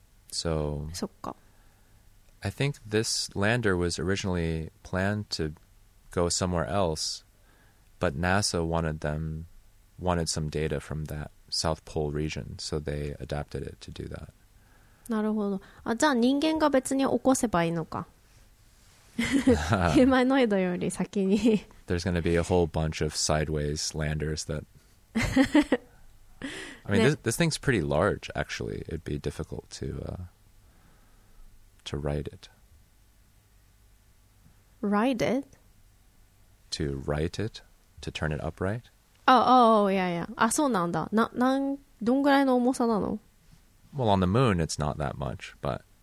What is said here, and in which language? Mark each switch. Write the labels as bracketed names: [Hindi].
[English] So I think this lander was originally planned to go somewhere else, but NASA wanted some data from that South Pole region, so they adapted it to do that. [Japanese] なるほど。あ、じゃあ人間が別に起こせばいいのか。ヒューマノイドより先に。 [English] There's going to be a whole bunch of sideways landers that... I mean, this thing's pretty large, actually. It'd be difficult to ride it. Ride it? To ride it? To turn it upright? Oh, yeah. [Japanese] あ、そうなんだ。どんぐらいの重さなの? [English] Well, on the moon, it's not that much, but...